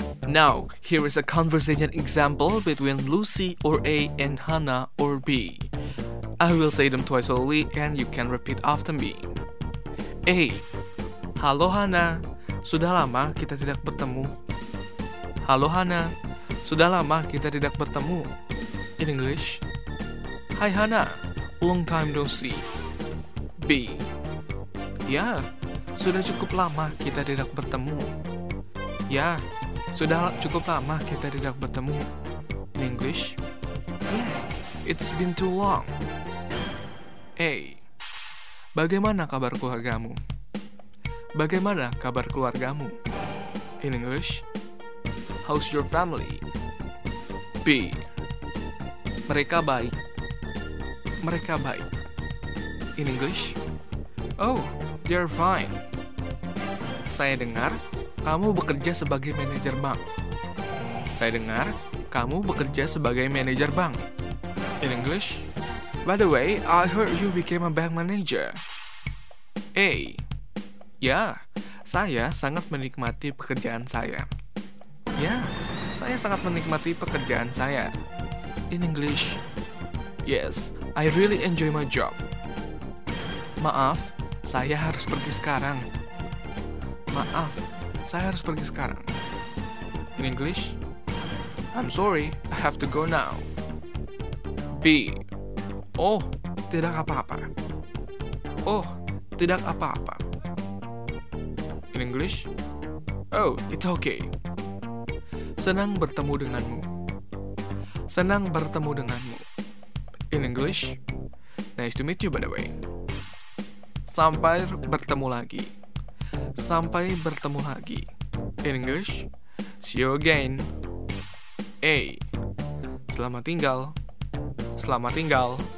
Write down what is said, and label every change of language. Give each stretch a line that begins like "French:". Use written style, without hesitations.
English: Now, here is a conversation example between Lucy or A and Hannah or B. I will say them twice only and you can repeat after me. A.
Indonesian: Halo Hannah, sudah lama kita tidak bertemu. Halo Hannah, sudah lama kita tidak bertemu.
English: In English, hi Hannah, long time no see. B.
Indonesian: Ya, sudah cukup lama kita tidak bertemu. Ya, sudah cukup lama kita tidak bertemu.
English: In English, yeah, it's been too long. A.
Indonesian: Bagaimana kabar keluargamu? Bagaimana kabar keluargamu?
English: In English, how's your family? B.
Indonesian: Mereka baik. Mereka baik.
English: In English, oh, they're fine.
Indonesian: Saya dengar kamu bekerja sebagai manajer bank. Saya dengar kamu bekerja sebagai manajer bank.
English: In English, by the way, I heard you became a bank manager. A.
Indonesian: Ya, saya sangat menikmati pekerjaan saya. Ya, saya sangat menikmati pekerjaan saya.
English: In English, yes, I really enjoy my job.
Indonesian: Maaf, saya harus pergi sekarang. Maaf, saya harus pergi sekarang.
English: In English, I'm sorry, I have to go now.
Indonesian: B. Oh, tidak apa-apa. Oh, tidak apa-apa.
English: In English? Oh, it's okay.
Indonesian: Senang bertemu denganmu. Senang bertemu denganmu.
English: In English? Nice to meet you, by the way.
Indonesian: Sampai bertemu lagi. Sampai bertemu lagi.
English: In English? See you again.
Indonesian: A. Selamat tinggal. Selamat tinggal.